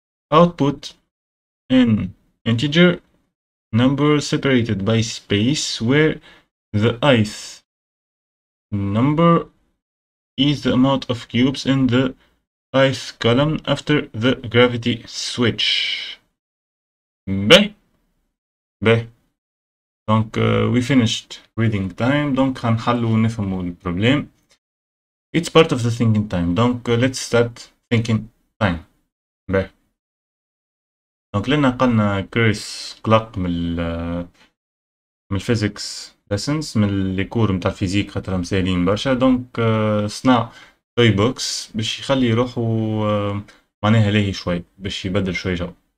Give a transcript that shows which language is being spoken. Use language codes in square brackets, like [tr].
[en] Output an integer number separated by space where the ith number is the amount of cubes in the ith column after the gravity switch. Donc, we finished reading time. [ar] Donc, غنخلو نفهمو البروبليم. [en] It's part of the thinking time. Donc, let's start thinking time. [ar] Donc, لنا قلنا كريس قلق من الفيزيكس lessons, من اللي كور متاع الفيزيك خطرة مسالين برشا. Donc, صنع toy box باش يخلي روحو معناها لهي شوي باش يبدل شوي جو.